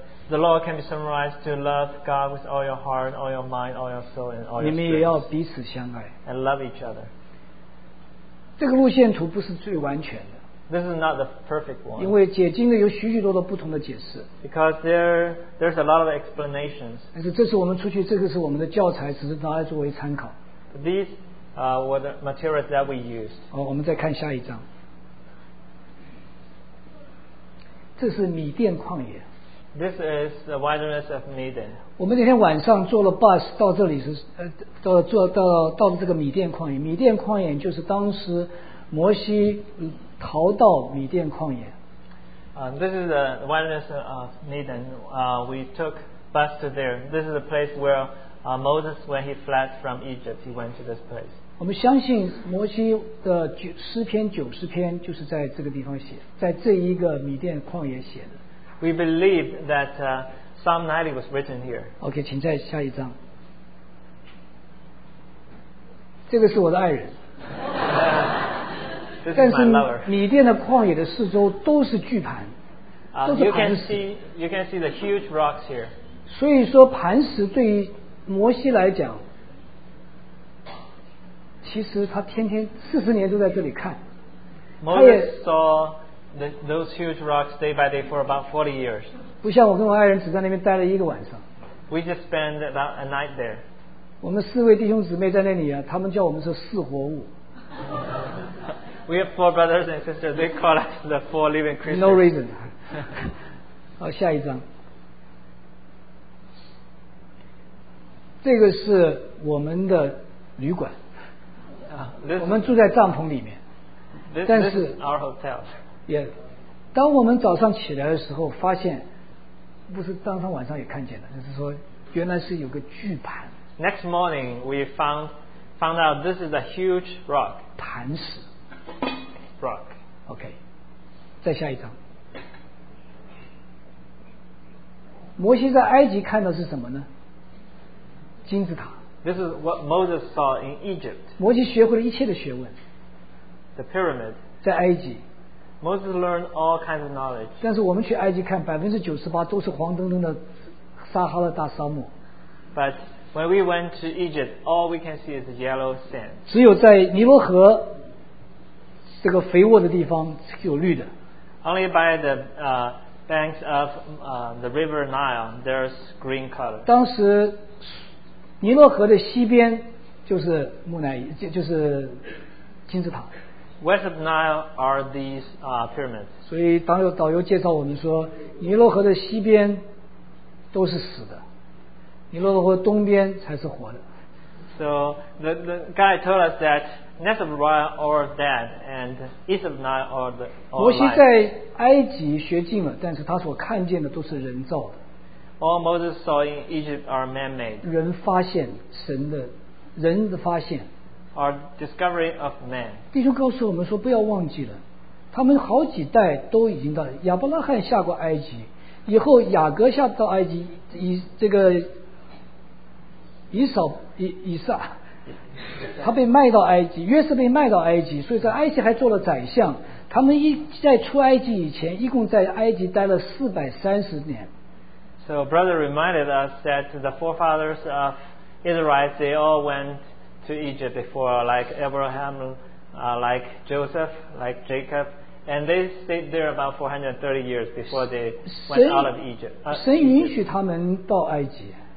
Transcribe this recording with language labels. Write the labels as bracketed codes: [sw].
[en] The law can be summarized to love God with all your heart, all your mind, all your soul, and all your strength. [zh] 你们也要彼此相爱。 [en] And love each other. [zh] 这个路线图不是最完全的。 [en] This is not the perfect one. [zh] 因为解经的有许许多多不同的解释。 [en] Because there's a lot of explanations. [zh] 但是这是我们出去，这个是我们的教材，只是拿来作为参考。 [en] These were the materials that we used. [zh] 好，我们再看下一章。这是米甸旷野。 [en] This is the wilderness of Midian. [zh] 我们那天晚上坐了 bus 到这里是到这个米甸旷野。米甸旷野就是当时摩西逃到米甸旷野。 [en] This is the wilderness of Midian. We took bus to there. This is the place where Moses, when he fled from Egypt, he went to this place. [zh] 我们相信摩西的诗篇九十篇就是在这个地方写，在这一个米甸旷野写的。 [en] We believe that Psalm 90 was written here. [zh] OK, 请再下一章。这个是我的爱人。 [en] This is my lover. [zh] 但是米甸的旷野的四周都是巨盘，都是磐石。 [en] You can see the huge rocks here. [zh] 所以说磐石对于摩西来讲，其实他天天四十年都在这里看。 [en] Moses saw those huge rocks day by day for about 40 years. [zh] 不像我跟我爱人只在那边待了一个晚上。 [en] We just spent about a night there. [zh] 我们四位弟兄姊妹在那里啊，他们叫我们是四活物。 [en] We have four brothers and sisters. They call us the four living creatures. No reason. [zh] 好，下一章。这个是我们的旅馆。我们住在帐篷里面。 [en] This is our hotel. [zh] Yeah, 当我们早上起来的时候发现，不是当天晚上也看见了，就是说原来是有个巨盘。 [en] Next morning we found out this is a huge rock. [zh] 磐石。 [en] Rock. [zh] OK. 再下一张。摩西在埃及看到是什么呢？金字塔。 [en] This is what Moses saw in Egypt. [zh] 摩西学会了一切的学问。 [en] The pyramid. [zh] 在埃及。 [en] Moses learned all kinds of knowledge. [zh] 但是我们去埃及看，98%都是黄澄澄的撒哈拉大沙漠。 [en] But when we went to Egypt, all we can see is yellow sand. [zh] 只有在尼罗河这个肥沃的地方有绿的。 [en] Only by the banks of the river Nile, there's green color. [zh] 当时尼罗河的西边就是木乃伊，就是金字塔。 [en] West of Nile are these pyramids. [zh] 所以当有导游介绍我们说，尼罗河的西边都是死的，尼罗河东边才是活的。 [en] So the guy told us that west of Nile are dead and east of Nile are the alive. [zh] 摩西在埃及学尽了，但是他所看见的都是人造的。 [en] All Moses saw in Egypt are man-made. [zh] 人发现神的，人的发现。 [en] Our discovery of man. [zh] 弟兄告诉我们说，不要忘记了，他们好几代都已经到了。亚伯拉罕下过埃及，以后雅各下到埃及，以这个以撒他被卖到埃及，约瑟被卖到埃及，所以在埃及还做了宰相。他们一在出埃及以前，一共在埃及待了430年。 [en] So brother reminded us that the forefathers of Israelites, they all went to Egypt before, like Abraham, like Joseph, like Jacob, and they stayed there about 430 years before they went out of Egypt. [zh] 神允许他们到埃及。